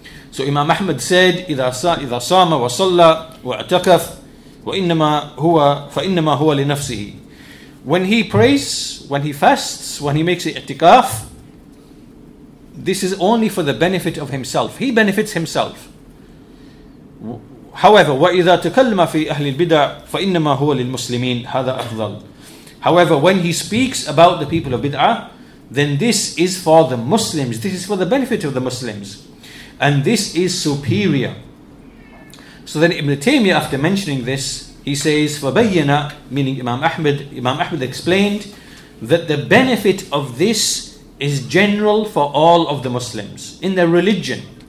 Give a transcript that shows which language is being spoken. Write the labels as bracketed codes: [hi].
[en] So Imam Ahmad said, [ar] إذا صام وصلى واعتكف وإنما هو فإنما هو لنفسه. [en] When he prays, when he fasts, when he makes i'tikaf, this is only for the benefit of himself. He benefits himself. [ar] However, وإذا تكلم في أهل البدع فإنما هو للمسلمين هذا أفضل. [en] However, when he speaks about the people of Bid'ah, then this is for the Muslims. This is for the benefit of the Muslims. And this is superior. So then Ibn Taymiyyah, after mentioning this, he says, فَبَيَّنَا, meaning Imam Ahmed explained that the benefit of this is general for all of the Muslims in their religion.